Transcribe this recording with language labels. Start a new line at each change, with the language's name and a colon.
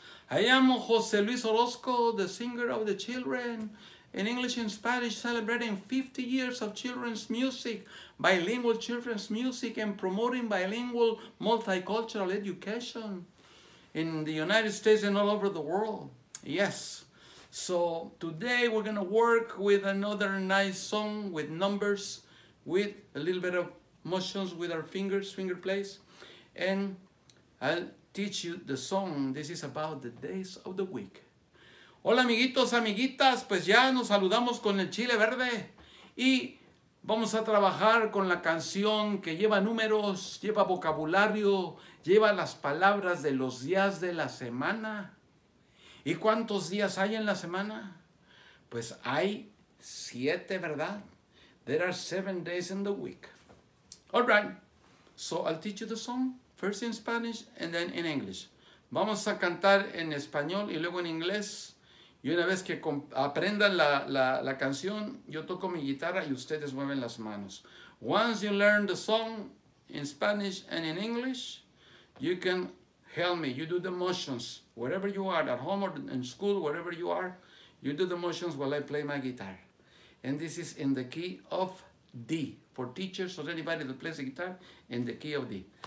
English: I am José Luis Orozco, the singer of the children, in English and Spanish, celebrating 50 years of children's music, bilingual children's music, and promoting bilingual multicultural education in the United States and all over the world. Yes. So today we're going to work with another nice song with numbers, with a little bit of motions with our fingers, finger plays. And I'll teach you the song. This is about the days of the week.
Spanish: Hola amiguitos, amiguitas, pues ya nos saludamos con el chile verde y vamos a trabajar con la canción que lleva números, lleva vocabulario, lleva las palabras de los días de la semana. ¿Y cuántos días hay en la semana? Pues hay 7, ¿verdad?
English: There are 7 days in the week. All right, so I'll teach you the song, first in Spanish and then in English.
Spanish: Vamos a cantar en español y luego en inglés. Y una vez que aprendan la canción, yo toco mi guitarra y ustedes mueven las manos.
English: Once you learn the song in Spanish and in English, you can help me. You do the motions, wherever you are, at home or in school, wherever you are, you do the motions while I play my guitar. And this is in the key of D, for teachers or anybody that plays the guitar, in the key of D.